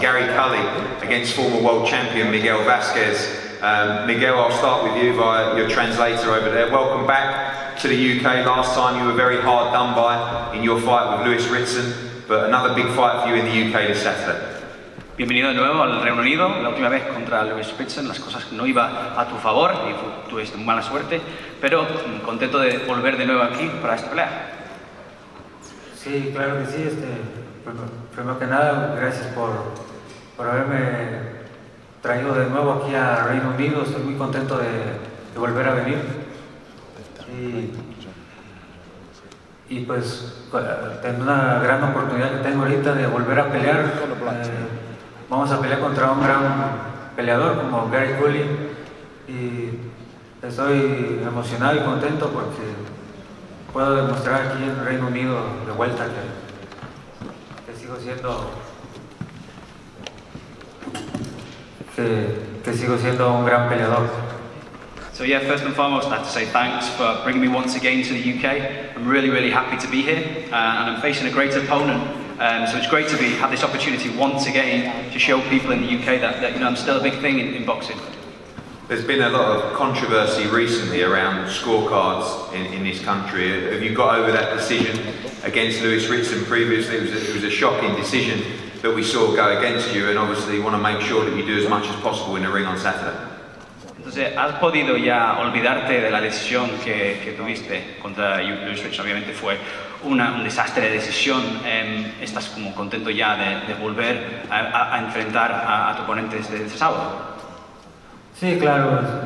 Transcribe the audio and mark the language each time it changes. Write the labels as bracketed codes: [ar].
[en] Gary Cully against former world champion Miguel Vasquez. Miguel, I'll start with you via your translator over there. Welcome back to the UK. Last time you were very hard done by in your fight with Lewis Ritson, but another big fight for you in the UK this Saturday. [es] Bienvenido de nuevo al Reino Unido. La última vez contra Lewis Ritson, las cosas no iba a tu favor y tuviste mala suerte, pero contento de volver de nuevo aquí para esta pelea. Sí, claro que sí. Primero que nada, gracias por haberme traído de nuevo aquí al Reino Unido. Estoy muy contento de volver a venir. Y pues, tengo una gran oportunidad que tengo ahorita de volver a pelear. Vamos a pelear contra un gran peleador como Gary Cully, y estoy emocionado y contento porque puedo demostrar aquí en Reino Unido de vuelta que sigo siendo que sigo siendo un gran peleador. [en] So yeah, first and foremost, I have to say thanks for bringing me once again to the UK. I'm really, really happy to be here, and I'm facing a great opponent. So it's great to have this opportunity once again to show people in the UK that you know, I'm still a big thing in boxing. There's been a lot of controversy recently around scorecards in this country. Have you got over that decision against Lewis Ritson previously? It was a shocking decision that we saw go against you, and obviously you want to make sure that you do as much as possible in the ring on Saturday. [es] Entonces, ¿has podido ya olvidarte de la decisión que tuviste contra Lewis Ritson? Obviamente fue un desastre de decisión. ¿Estás como contento ya de volver a enfrentar a tu oponente este sábado? Sí, claro.